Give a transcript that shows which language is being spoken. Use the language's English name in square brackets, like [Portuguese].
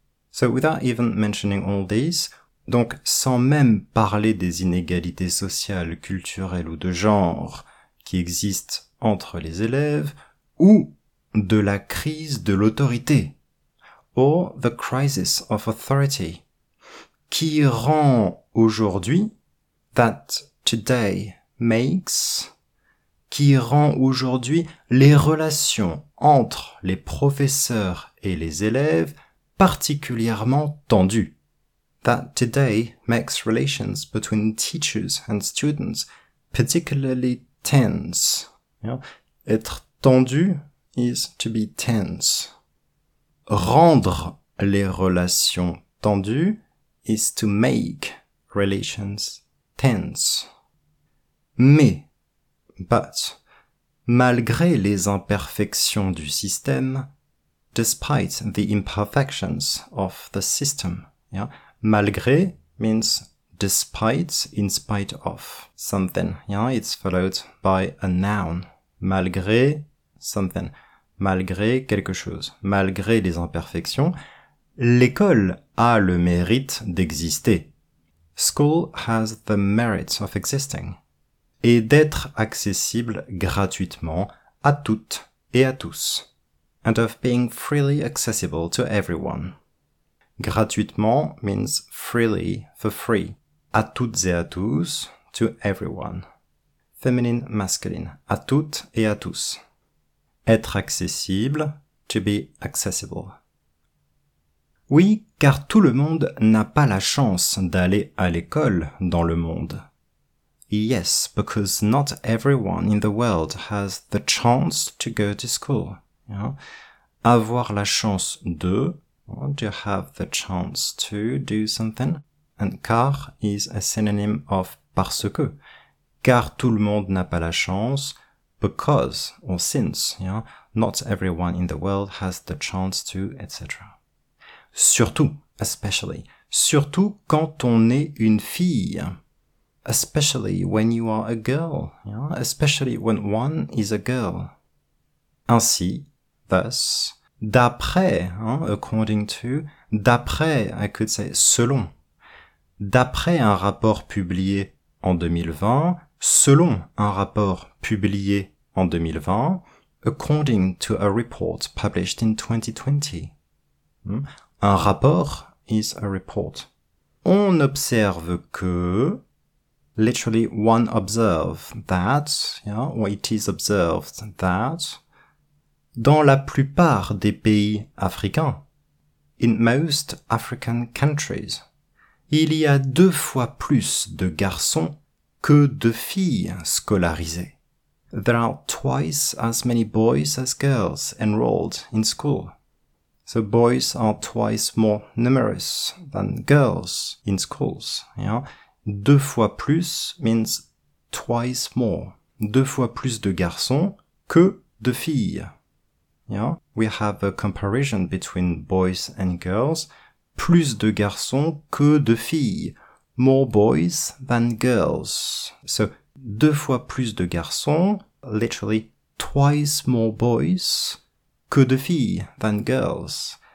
[English] So without even mentioning all these, [French] donc sans même parler des inégalités sociales, culturelles ou de genre qui existent entre les élèves, ou de la crise de l'autorité, [English] or the crisis of authority, [French] qui rend aujourd'hui, [English] that today makes, [French] qui rend aujourd'hui les relations entre les professeurs et les élèves particulièrement tendues. [English] That today makes relations between teachers and students particularly tense. Yeah. [French] Être tendu [English] is to be tense. [French] Rendre les relations tendues [English] is to make relations tense. [French] Mais, [English] but, [French] malgré les imperfections du système, [English] despite the imperfections of the system, yeah, malgré means despite, in spite of something, yeah, it's followed by a noun, malgré something. [French] Malgré quelque chose, malgré les imperfections, l'école a le mérite d'exister. [English] School has the merit of existing. [French] Et d'être accessible gratuitement à toutes et à tous. [English] And of being freely accessible to everyone. Gratuitement means freely, for free. [French] À toutes et à tous, to everyone. Feminine, masculine. À toutes et à tous. Être accessible, [English] to be accessible. [French] Oui, car tout le monde n'a pas la chance d'aller à l'école dans le monde. [English] Yes, because not everyone in the world has the chance to go to school. Yeah. [French] Avoir la chance de, [English] or to have the chance to do something. And car is a synonym of parce que. [French] Car tout le monde n'a pas la chance. [English] Because, or since, yeah, not everyone in the world has the chance to, etc. [French] Surtout, [English] especially, [French] surtout quand on est une fille. [English] Especially when you are a girl, yeah, especially when one is a girl. [French] Ainsi, [English] thus, d'après, hein, according to, d'après, I could say, selon. [French] D'après un rapport publié en 2020, selon un rapport publié en 2020, [English] according to a report published in 2020. [French] Un rapport [English] is a report. [French] On observe que, [English] literally one observe that, yeah, or it is observed that, [French] dans la plupart des pays africains, [English] in most African countries, [French] il y a deux fois plus de garçons que de filles scolarisées. [English] There are twice as many boys as girls enrolled in school. So boys are twice more numerous than girls in schools. Yeah? Deux fois plus means twice more. [French] Deux fois plus de garçons que de filles. [English] Yeah? We have a comparison between boys and girls. [French] Plus de garçons que de filles. [English] More boys than girls. So, [French] deux fois plus de garçons, [English] literally twice more boys [French] que de filles [English] than girls.